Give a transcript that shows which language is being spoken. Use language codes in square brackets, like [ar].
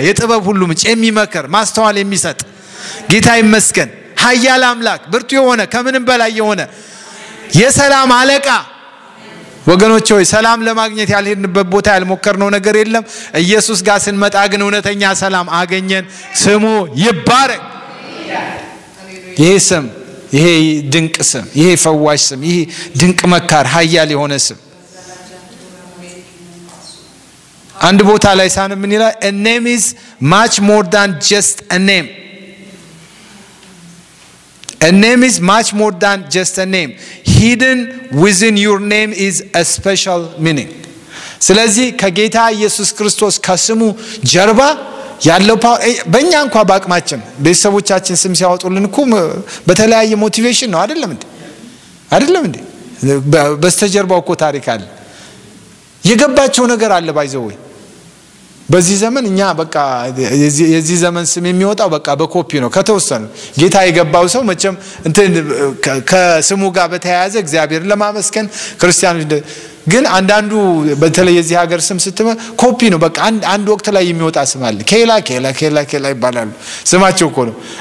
[am] የጥበብ ሁሉ ምንጭ፣ የሚመክር ማስተዋል የሚሰጥ ጌታ ይመስገን። ኃያል አምላክ፣ ብርቱ የሆነ ከምንም በላይ የሆነ የሰላም አለቃ። ወገኖቼ ሆይ ሰላም ለማግኘት ያልሄድንበት ቦታ ያልሞከርነው ነገር የለም። ኢየሱስ ጋር ስንመጣ ግን እውነተኛ ሰላም አገኘን። ስሙ ይባረክ። ይሄ ስም፣ ይሄ ድንቅ ስም፣ ይሄ ፈዋሽ ስም፣ ይሄ ድንቅ መካር፣ ኃያል የሆነ ስም። አንድ ቦታ ላይ ሳን ምን ይላል? [en] A name is much more than just a name. A name is much more than just a name. Hidden within your name is a special meaning. [am] ስለዚህ ከጌታ ኢየሱስ ክርስቶስ ከስሙ ጀርባ ያለው በእኛ እንኳን ባቅማችን ቤተሰቦቻችን ስም ሲያወጡልን እኮ በተለያየ ሞቲቬሽን ነው አይደለም እንዴ? አይደለም እንዴ? በስተጀርባው እኮ ታሪክ አለ። የገባቸው ነገር አለ ባይዘው። በዚህ ዘመን እኛ በቃ የዚህ ዘመን ስም የሚወጣው በቃ በኮፒ ነው ከተወሰነ ጌታ የገባው ሰው መቼም እንትን ከስሙ ጋር በተያያዘ እግዚአብሔር ለማመስገን ክርስቲያኖች ግን አንዳንዱ በተለይ የዚህ ሀገር ስም ስትመ ኮፒ ነው በቃ አንድ ወቅት ላይ የሚወጣ ስም አለ። ኬላ ይባላሉ ስማቸው እኮ ነው።